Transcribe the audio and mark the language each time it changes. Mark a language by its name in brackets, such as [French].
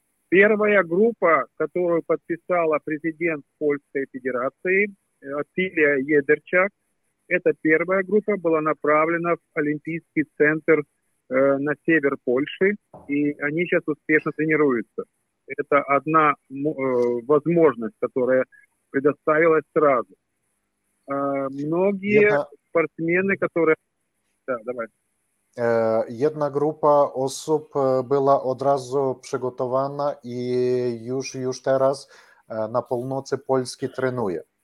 [Ukrainian] Перша група, яку підписала президент Польської Федерації, Атілія Єдерчак, ця перша група була направлена в Олімпійський центр [Russian] на север Польши, и они сейчас успешно тренируются. Это одна возможность, которая предоставилась сразу. Многие спортсмены, которые... Да, давай. [Polish] Jedna grupa osób była od razu przygotowana i już teraz na północy Polski trenuje.